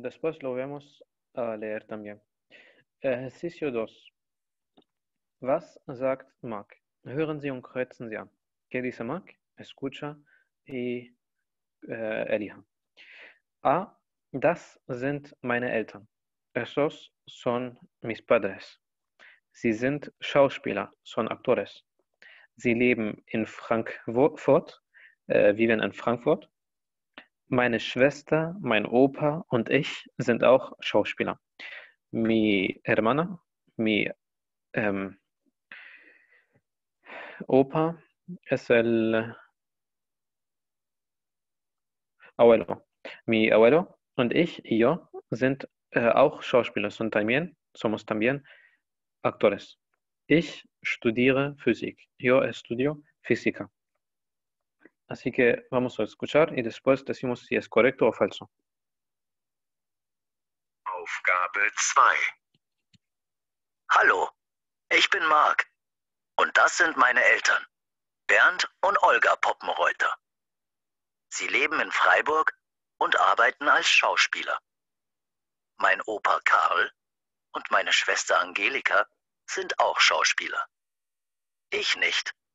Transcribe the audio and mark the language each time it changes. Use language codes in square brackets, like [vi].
[es] Después lo vemos a leer también. [de] Ejercicio 2. Was sagt Mark? Hören Sie und kreuzen Sie an. [es] ¿Qué dice Mark? Escucha y elija. A. [de] Das sind meine Eltern. [es] Esos son mis padres. [de] Sie sind Schauspieler, [es] son actores. [de] Sie leben in Frankfurt, [es] viven en Frankfurt. [de] Meine Schwester, mein Opa und ich sind auch Schauspieler. [es] Mi hermana, mi opa es el abuelo. Mi abuelo [de] und ich, [es] y yo, [de] sind auch Schauspieler. [es] Somos también actores. [de] Ich studiere Physik. [es] Yo estudio física. Así que vamos a escuchar y después decimos si es correcto o falso. [de] Aufgabe 2. Hallo, ich bin Mark und das sind meine Eltern, Bernd und Olga Poppenreuther. Sie leben in Freiburg und arbeiten als Schauspieler. Mein Opa Karl und meine Schwester Angelika sind auch Schauspieler. Ich nicht.